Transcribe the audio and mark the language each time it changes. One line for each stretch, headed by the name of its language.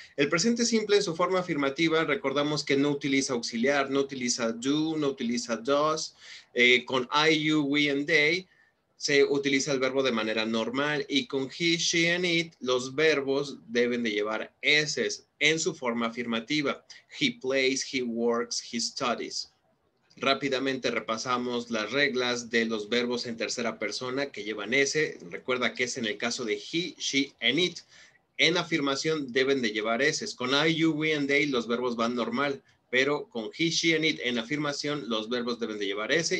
Spanish: El presente simple en su forma afirmativa recordamos que no utiliza auxiliar, no utiliza do, no utiliza does. Con I, you, we, and they se utiliza el verbo de manera normal y con he, she, and it los verbos deben de llevar eses en su forma afirmativa.
English: He plays, he works, he studies.
Spanish: Rápidamente repasamos las reglas de los verbos en tercera persona que llevan ese. Recuerda que es en el caso de he, she, and it. En afirmación deben de llevar ese. Con I, you, we, and they los verbos van normal. Pero con he, she, and it en afirmación los verbos deben de llevar ese.